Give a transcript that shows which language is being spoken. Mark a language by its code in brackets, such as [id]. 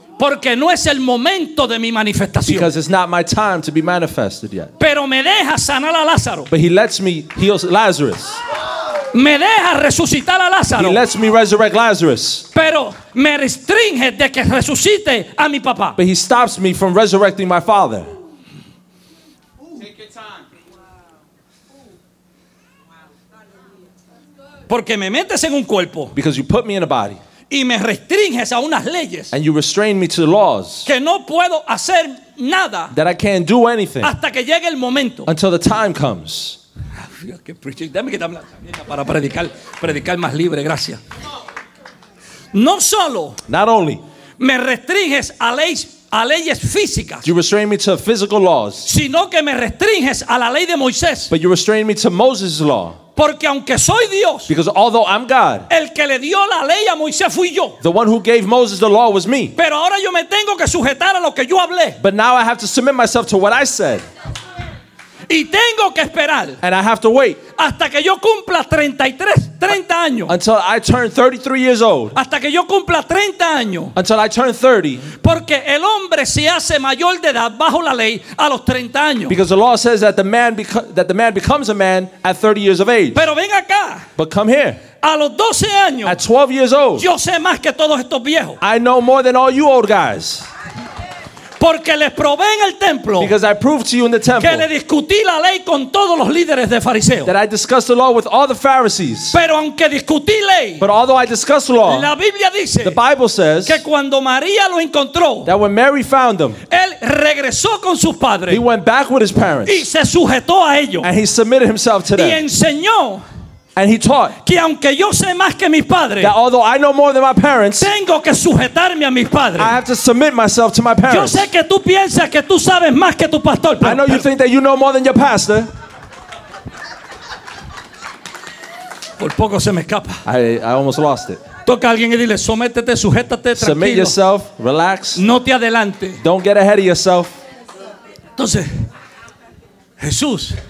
[es] Porque no es el momento de mi manifestación. [en] Because it's not my time to be manifested yet. [es] Pero me deja sanar a Lázaro. [en] But he lets me heal Lazarus. [es] Me deja resucitar a Lázaro. [en] He lets me resurrect Lazarus. [es] Pero me restringe de que resucite a mi papá. [en] But he stops me from resurrecting my father. [es] Porque me metes en un cuerpo. [en] Because you put me in a body. [es] Y me restringes a unas leyes. [en] And you restrain me to the laws. [es] Que no puedo hacer nada. [en] That I can't do anything. [es] Hasta que llegue el momento. [en] Until the time comes. [es] Dame que te hablas para predicar más libre, gracias. No solo. [en] Not only. [es] Me restringes a leyes. A leyes físicas. [en] You restrain me to physical laws. [es] Sino que me restringes a la ley de Moisés. [en] But you restrain me to Moses' law. [es] Porque aunque soy Dios, [en] because although I'm God, [es] el que le dio la ley a Moisés fui yo. [en] The one who gave Moses the law was me. [es] Pero ahora yo me tengo que sujetar a lo que yo hablé. [en] But now I have to submit myself to what I said. [es] Y tengo que esperar. [en] And I have to wait. [es] Hasta que yo cumpla 30 años. [en] Until I turn 33 years old. [es] Hasta que yo cumpla 30 años. [en] Until I turn 30. [es] Porque el hombre se hace mayor de edad bajo la ley a los 30 años. [en] Because the law says that the man becomes a man at 30 years of age. [es] Pero ven acá. [en] But come here. [es] A los 12 años. [en] At 12 years old. [es] Yo sé más que todos estos viejos. [en] I know more than all you old guys. [es] Porque les probé en el templo. [en] Because I proved to you in the temple. [es] Que le discutí la ley con todos los líderes de fariseos. [en] That I discussed the law with all the Pharisees. [es] Pero aunque discutí ley. [en] But although I discussed law. [es] La Biblia dice. [en] The Bible says. [es] Que cuando María lo encontró. [en] That when Mary found him. [es] Él regresó con sus padres. [en] He went back with his parents. [es] Y se sujetó a ellos. [en] And he submitted himself to them. [es] Y enseñó. [en] And he taught [es] que aunque yo sé más que mis padres, [en] that although I know more than my parents, [es] tengo que sujetarme a mis padres. [en] I have to submit myself to my parents. [es] Yo sé que tú piensas que tú sabes más que tu pastor, pero, [en] I know you think that you know more than your pastor. [es] Por poco se me escapa. [en] I almost lost it. [es] Toca a alguien y dile, sométete, sujétate, tranquilo. [en] Submit yourself, relax. [es] No te adelante. [en] Don't get ahead of yourself. [es] Entonces, Jesús.